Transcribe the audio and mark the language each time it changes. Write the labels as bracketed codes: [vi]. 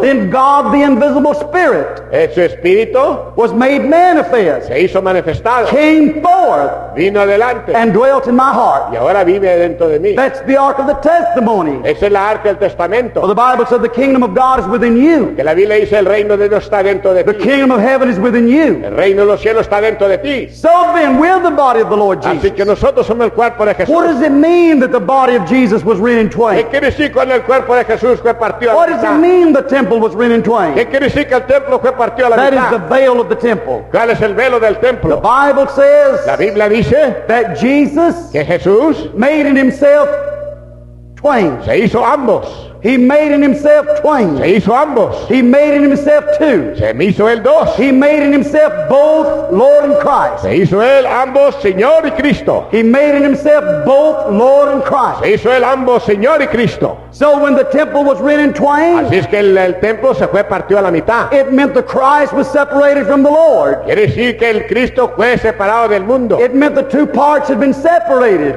[en] then God the invisible spirit [es] su espíritu [en] was made manifest [es] se hizo manifestado [en] came forth [es] vino adelante [en] and dwelt in my heart [es] y ahora vive dentro de mí. [en] That's the ark of the testimony. [es] Es el arca del testamento. [en] For the Bible said the kingdom of God is within you. [es] Que la Biblia dice el reino de Dios está dentro de ti. [en] The kingdom of heaven is within you. [es] El reino de los cielos está dentro de ti. [en] So then we're the body of the Lord Jesus. [es] Así que nosotros somos el cuerpo de Jesús. [en] What does it mean that the body of Jesus was rent in twain? [es] ¿Qué quiere decir cuando el cuerpo de Jesús fue partido a la mitad? [en] What does it mean the temple was rent in twain? [es] ¿Qué quiere decir que el templo fue partido a la [en] that [es] mitad? [en] Is the veil of the temple. [es] ¿Cuál es el velo del templo? [en] The Bible says [es] la Biblia dice [en] that Jesus [es] que Jesús [en] made in himself twain. [es] Se hizo ambos. [en] He made in himself twain. [es] Se hizo ambos. [en] He made in himself two. [es] Se hizo él dos. [en] He made in himself both Lord and Christ. [es] Se hizo él ambos Señor y Cristo. [en] He made in himself both Lord and Christ. [es] Se hizo él ambos Señor y Cristo. [en] So when the temple was rent in twain, [es] así es que el templo se fue partido a la mitad. [en] It meant the Christ was separated from the Lord. [es] Quiere decir que el Cristo fue separado del mundo. [en] It meant the two parts had been separated.